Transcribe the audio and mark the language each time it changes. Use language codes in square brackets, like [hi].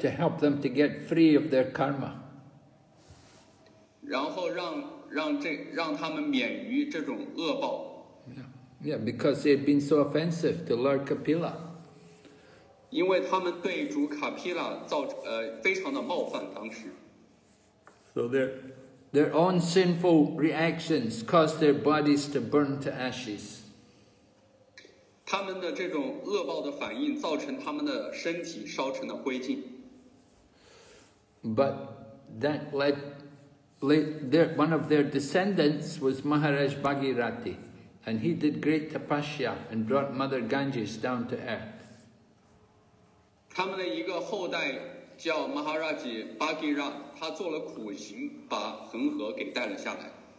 [en] to help them to get free of their karma. [zh] 然后让他们免于这种恶报。 [en] Yeah, because they had been so offensive to Lord Kapila. [zh] 因为他们对主卡皮拉造非常的冒犯当时。 [en] So their own sinful reactions caused their bodies to burn to ashes. [zh] 他们的这种恶报的反应造成他们的身体烧成了灰烬。 [en] But that led one of their descendants was Maharaj Bhagirathi. And he did great tapasya and brought Mother Ganges down to earth. [zh] 他们的一个后代叫 Maharaj Bhagirath, 他做了苦行把恒河给带了下来。